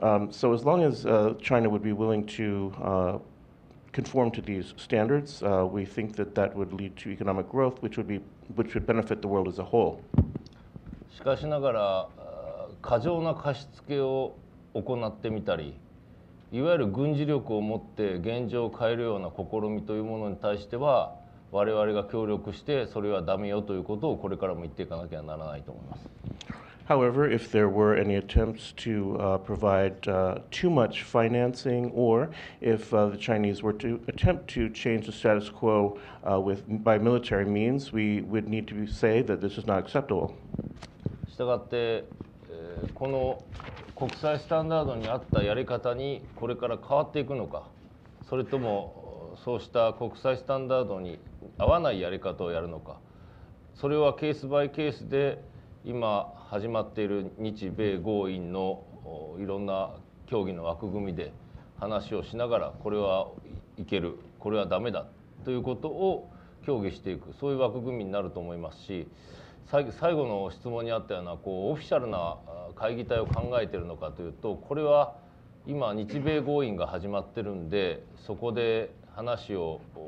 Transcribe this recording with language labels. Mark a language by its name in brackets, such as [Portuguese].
[English] So as long as China would be willing to conform to these standards, we think that that would lead to economic growth, which would benefit the world as a whole. [Japanese] しかしながら 過剰な貸し付けを行ってみたり、いわゆる軍事力を持って現状を変えるような試みというものに対しては、我々が協力して、それはダメよということをこれからも言っていかなきゃならないと思います。 [English] However, if there were any attempts to provide too much financing, or if the Chinese were to attempt to change the status quo by military means, we would need to say that this is not acceptable. [Japanese] したがって、 この国際スタンダードに合ったやり方にこれから変わっていくのか、それともそうした国際スタンダードに合わないやり方をやるのか、それはケースバイケースで今始まっている日米豪印のいろんな協議の枠組みで話をしながら、これはいける、これはダメだということを協議していく、そういう枠組みになると思いますし、 最後の質問にあったような、オフィシャルな会議体を考えているのかというと、これは今、日米豪印が始まっているので、そこで話を